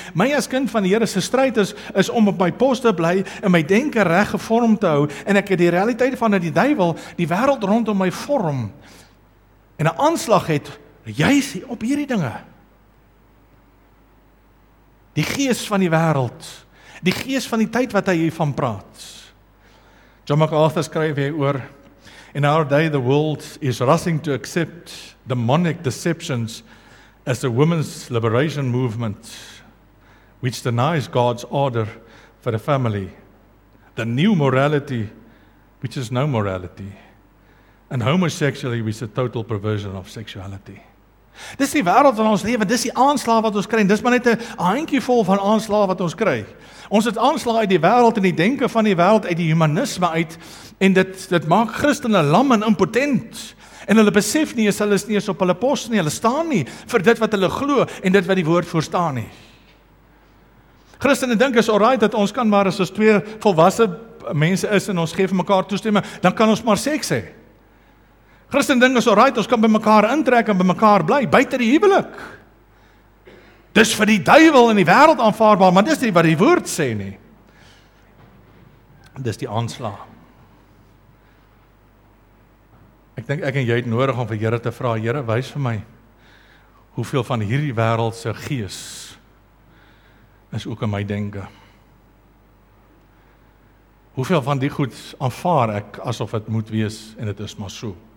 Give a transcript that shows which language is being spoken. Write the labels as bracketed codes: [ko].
[af] My as kind van die Here se stryd is om op my pos te bly en my denke reg gevorm te hou. En ek het die realiteit van dat die duivel die wêreld rondom my vorm en 'n aanslag het juis op hierdie dinge. Die gees van die wêreld, die gees van die tyd wat hy hiervan praat. John MacArthur skryf hy oor: [en] In our day the world is rushing to accept demonic deceptions as a women's liberation movement which denies God's order for the family, the new morality which is no morality, and homosexuality which is a total perversion of sexuality. [af] Dis die wêreld van ons lewe, dis die aanslag wat ons kry, dis maar net 'n handjie vol van aanslag wat ons kry. Ons het aanslag uit die wêreld en die denke van die wêreld, uit die humanisme uit, en dit maak Christene lam en impotent, en hulle besef nie, hulle is nie eens op hulle pos nie, hulle staan nie vir dit wat hulle glo en dit wat die woord voorstaan nie. Christene dink is alright dat ons kan maar as ons twee volwasse mense is en ons gee vir mekaar toestemming, dan kan ons maar seks hê. Christen ding is alright, ons kan by mekaar intrek en by mekaar bly, buiten die huwelik. Dis vir die duivel en die wêreld aanvaarbaar, maar dis nie wat die woord sê nie. Dis die aanslag. Ek dink ek en jy het nodig om vir Here te vra, Here, wys vir my, hoeveel van hierdie wêreldse gees is ook in my denke. Hoeveel van die goed aanvaar ek asof het moet wees en het is maar so.